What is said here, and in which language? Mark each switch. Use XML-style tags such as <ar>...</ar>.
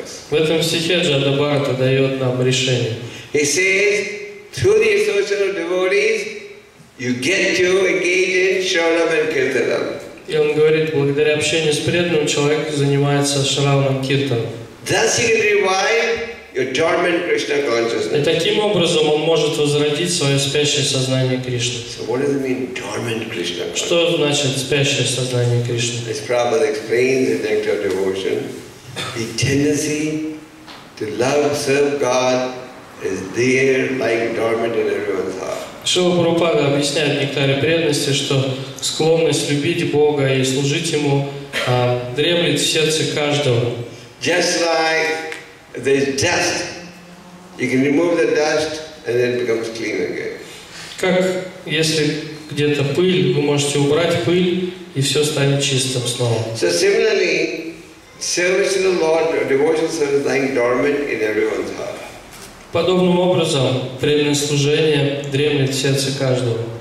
<ru>В этом стихе Джадда Бхарата дает нам решение.</ru> <en>He says, through the association of devotees, you get to engage in Shravanam and Kirtanam.</en> <ru>И он говорит, благодаря общению с преданным человек занимается Шравнам Киртанам.</ru> <en>Thus you can revive your dormant Krishna consciousness.</en> <ru>И таким образом он может возродить свое спящее сознание Кришны.</ru> <en>So what does it mean, dormant Krishna consciousness?</en> <ru>Что значит спящее сознание Кришны?</ru> <en>As Prabhupada explains in Nectar of Devotion, the tendency to love, serve God is there like dormant in everyone's heart.</en> <ru>Шрила Прабхупада объясняет в Нектаре преданности, что склонность любить Бога и служить Ему дремлет в сердце каждого.</ru> <en>Just like there's dust, you can remove the dust and then it becomes clean again.</en> <ru>Как если где-то пыль, вы можете убрать пыль и все станет чистым снова.</ru> <en>So similarly, service to the Lord, devotion service, lying dormant in everyone's heart.</en> <ru>Подобным образом, преданное служение дремлет в сердце каждого.</ru>